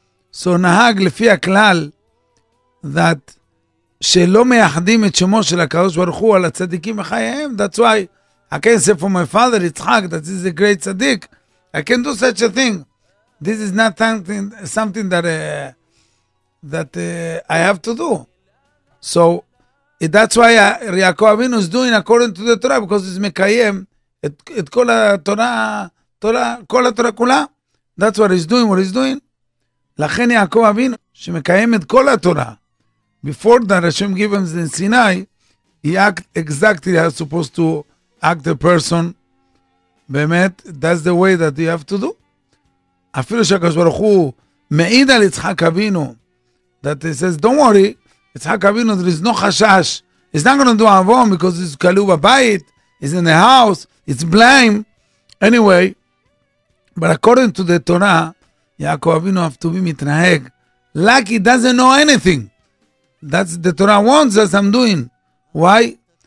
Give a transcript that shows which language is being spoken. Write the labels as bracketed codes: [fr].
[he] So Nahag lefi haklal that שלא מייחדים את שמו של הקדוש ברוך הוא על הצדיקים בחייהם. [en] That's why I can't say for my father, Yitzhak, that this is a great tzaddik. I can't do such a thing. This is not something that I have to do. So that's why Yaakov Avinu is doing according to the Torah, because it's mekayem [he] את כל התורה, כל התורה כולה. [en] That's what he's doing. [he] לכן יעקב אבינו, שמקיים את כל התורה, [en] before that Hashem gave him the Sinai, he act exactly as supposed to act a person. באמת, that's the way that you have to do. [he] אפילו שהקדוש ברוך הוא מעיד על יצחק אבינו, [en] that he says, don't worry, יצחק אבינו, there is no חשש. He's not going to do avon because he's כלוא בבית, he's in the house, it's blame. Anyway, but according to the Torah, יעקב אבינו have to be מתנהג. Like he doesn't know anything. That's the Torah wants as I'm doing. Why?